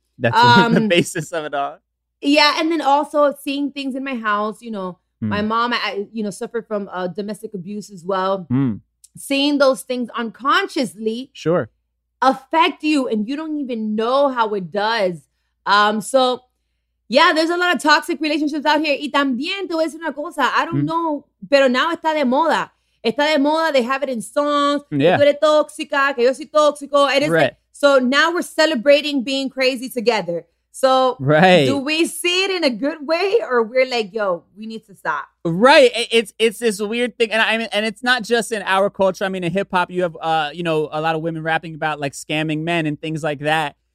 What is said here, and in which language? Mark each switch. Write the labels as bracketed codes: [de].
[en] That's the basis of it all. Yeah. And then also seeing things in my house, you know, my mom, suffered from domestic abuse as well. Mm. Seeing those things unconsciously. Sure. Affect you and you don't even know how it does. Yeah, there's a lot of toxic relationships out here. [es] Y también te voy a decir una cosa. [en] I don't know, [es] pero [en] now [es] está de moda. Está de moda. [en] They have it in songs. Yeah. [es] Tú eres tóxica, que yo soy tóxico. [en] Right. Like, so now we're celebrating being crazy together. So do we see it in a good way or we're like, yo, we need to stop? Right. It's this weird thing. And I mean, and it's not just in our culture. I mean, in hip hop, you have, a lot of women rapping about like scamming men and things like that.